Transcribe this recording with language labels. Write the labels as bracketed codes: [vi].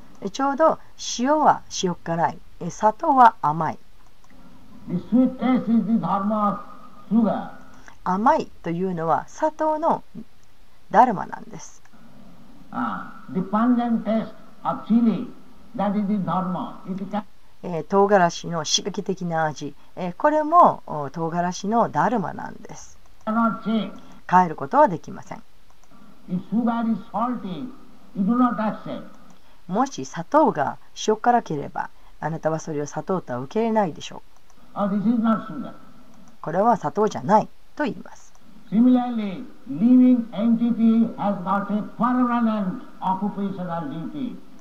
[ja] ちょうど塩は塩辛い、砂糖は甘い。 [en] The sweet taste is the dharma of sugar. [ja] 甘いというのは砂糖のダルマなんです。 [en] The pungent taste of chili, that is the dharma. [ja] 唐辛子の刺激的な味、これも唐辛子のダルマなんです。変えることはできません。 [en] If sugar is salty, you do not accept. [ja] もし砂糖が塩辛ければ、あなたはそれを砂糖とは受け入れないでしょう。 [en] Oh, this is not sugar. [ja] これは砂糖じゃないと言います。 [en] Similarly, living entity has got a permanent occupational duty.